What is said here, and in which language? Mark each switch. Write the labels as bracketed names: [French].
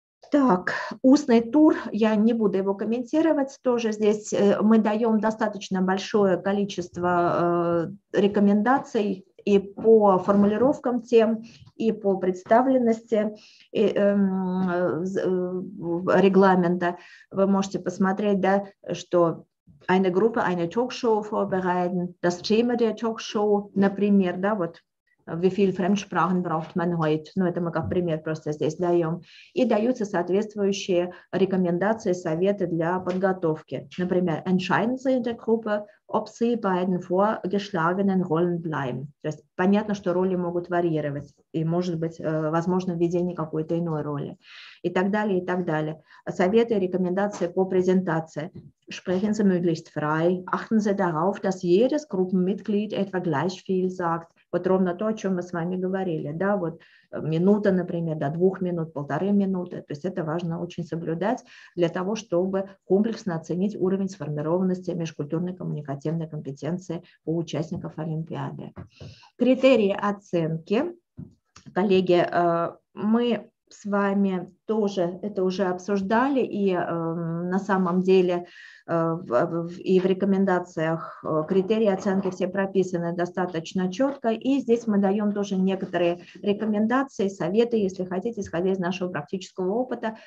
[Russian] Так, устный тур, я не буду его комментировать тоже. Здесь мы даем достаточно большое количество рекомендаций и по формулировкам тем, и по представленности регламента. Вы можете посмотреть, да, что [German] eine Gruppe, eine Talkshow vorbereiten, das Thema der Talkshow, [Russian] например, да, вот. [German] Wie viele Fremdsprachen braucht man heute? [Russian] Ну, это мы как пример просто здесь даем. И даются соответствующие рекомендации, советы для подготовки. Например, [German] entscheiden Sie in der Gruppe, ob Sie bei den vorgeschlagenen Rollen bleiben. [Russian] То есть понятно, что роли могут варьировать, и может быть, возможно, введение какой-то иной роли. И так далее, и так далее. Советы, рекомендации по презентации. [German] Sprechen Sie möglichst frei. Achten Sie darauf, dass jedes Gruppenmitglied etwa gleich viel sagt. [Russian] Вот ровно то, о чем мы с вами говорили, да, вот минута, например, до двух минут, полторы минуты, то есть это важно очень соблюдать для того, чтобы комплексно оценить уровень сформированности межкультурной коммуникативной компетенции у участников Олимпиады. Критерии оценки, коллеги, мы с вами тоже это уже обсуждали, и на самом деле и в рекомендациях критерии оценки все прописаны достаточно четко, и здесь мы даем тоже некоторые рекомендации, советы, если хотите, исходя из нашего практического опыта.